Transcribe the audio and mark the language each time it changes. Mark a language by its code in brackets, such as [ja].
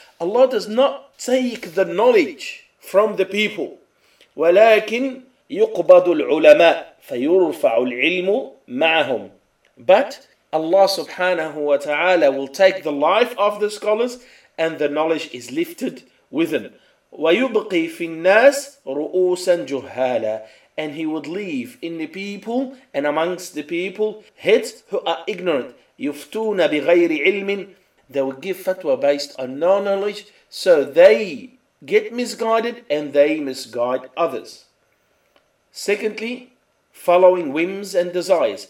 [en] Allah does not take the knowledge from the people, [ar] ولكن يقبض العلماء فيرفع العلم معهم. [en] But Allah [ar] سبحانه وتعالى [en] will take the life of the scholars and the knowledge is lifted with them. [ar] ويبقي في الناس رؤوسا جهالا. [en] And he would leave in the people and amongst the people heads who are ignorant. [ar] يُفْتُونَ بِغَيْرِ عِلْمٍ. [en] They would give fatwa based on no knowledge. So they get misguided and they misguide others. Secondly, following whims and desires.